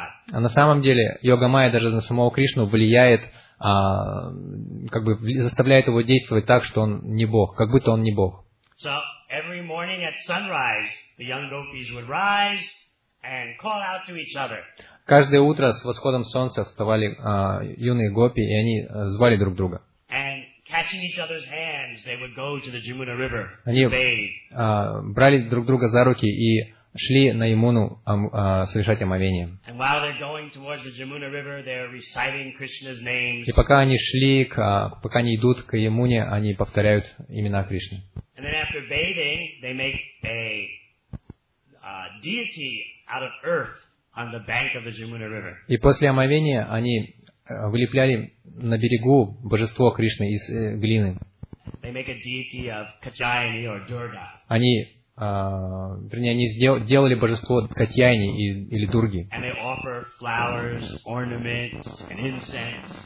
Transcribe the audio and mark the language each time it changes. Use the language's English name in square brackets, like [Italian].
[Russian] На самом деле, Йогамайя даже на самого Кришну влияет, как бы заставляет его действовать так, что он не Бог, как будто он не Бог. [English] Every morning at sunrise, the young gopis would rise and call out to each other. [Russian] Каждое утро с восходом солнца вставали юные гопи, и они звали друг друга. [English] And catching each other's hands, they would go to the Jamuna River. [Russian] Они брали друг друга за руки и шли на Ямуну совершать омовение. [English] And while they're going towards the Jamuna River, they're reciting Krishna's names. [Russian] И пока они шли, пока они идут к Ямуне, они повторяют имена Кришны. [English] And then after bathing, they make a deity out of earth on the bank of the Jamuna River. [Russian] И после омовения они вылепляли на берегу божество Кришны из глины. [English] They make a deity of Katyayani or Durga. [Russian] Они, вернее, они делали божество Катьяйни или Дурги. [English] And they offer flowers, ornaments, and incense.